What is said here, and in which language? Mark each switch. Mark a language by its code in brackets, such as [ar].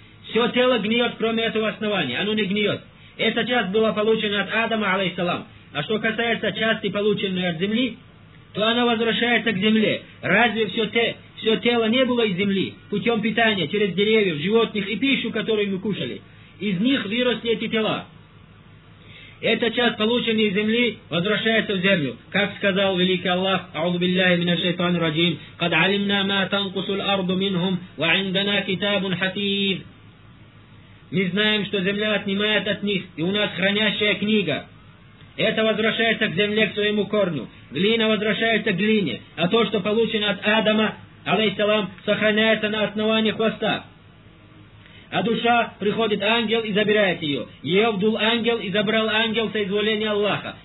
[ru] Все тело гниет, кроме этого основания. Оно не гниет. Эта часть была получена от Адама, алейхиссалам. А что касается части, полученной от земли, то она возвращается к земле. Разве все тело не было из земли? Путем питания, через деревьев, животных и пищу, которую мы кушали. Из них выросли эти тела. Эта часть, полученная из земли, возвращается в землю. Как сказал великий Аллах, [ar] أعوذ بالله من الشيطان الرجيم, قد علمنا ما تنقص الأرض منهم وعندنا كتاب حفيظ. [ru] Мы знаем, что земля отнимает от них, и у нас хранящая книга. Это возвращается к земле, к своему корню. Глина возвращается к глине. А то, что получено от Адама, алейхиссалам, сохраняется на основании хвоста. А душа, приходит ангел и забирает ее. Ее вдул ангел и забрал ангел соизволения Аллаха.